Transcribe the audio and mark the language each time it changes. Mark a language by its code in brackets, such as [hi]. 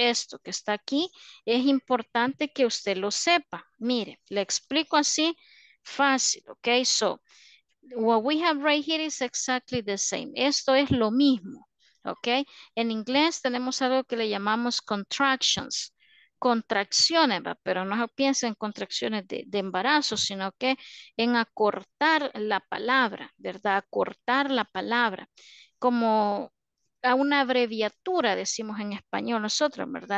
[es] Esto que está aquí es importante que usted lo sepa. Mire, le explico así fácil, okay? [en] So, what we have right here is exactly the same. [es] Esto es lo mismo, okay? En inglés tenemos algo que le llamamos contractions. Contracciones, ¿va? Pero no piensen en contracciones de embarazo, sino que en acortar la palabra, ¿verdad? Acortar la palabra, como a una abreviatura, decimos en español nosotros, ¿verdad?